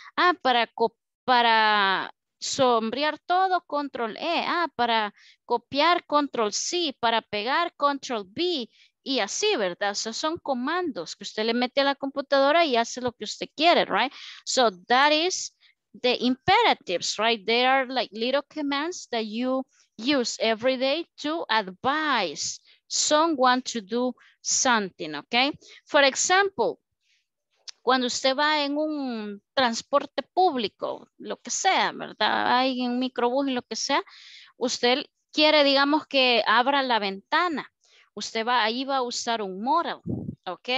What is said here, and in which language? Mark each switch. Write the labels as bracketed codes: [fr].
[es] Ah, para sombrear todo, control E. Ah, para copiar, control C. Para pegar, control B. Y así, ¿verdad? O sea, son comandos que usted le mete a la computadora y hace lo que usted quiere, right? [en] So that is the imperatives, right? They are like little commands that you use every day to advise, someone to do something, okay? For example, [es] cuando usted va en un transporte público, lo que sea, ¿verdad? Hay un microbús y lo que sea, usted quiere, digamos, que abra la ventana. Usted va, ahí va a usar un modal, ¿ok?